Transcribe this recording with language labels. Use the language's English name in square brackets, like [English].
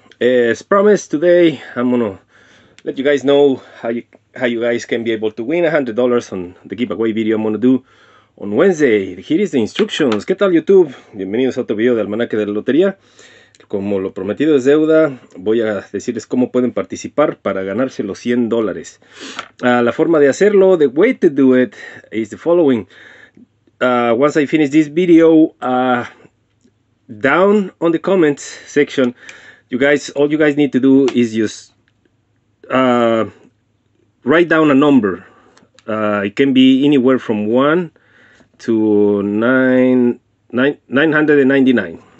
[English] As promised, today I'm gonna let you guys know how you guys can be able to win $100 on the giveaway video I'm gonna do on Wednesday. Here is the instructions. [Spanish] ¿Qué tal YouTube? Bienvenidos a otro video de Almanaque de la Lotería. Como lo prometido es deuda, voy a decirles cómo pueden participar para ganarse los $100. La forma de hacerlo, [English] the way to do it, is the following. Once I finish this video, down on the comments section, all you guys need to do is just write down a number. It can be anywhere from 1 to 999.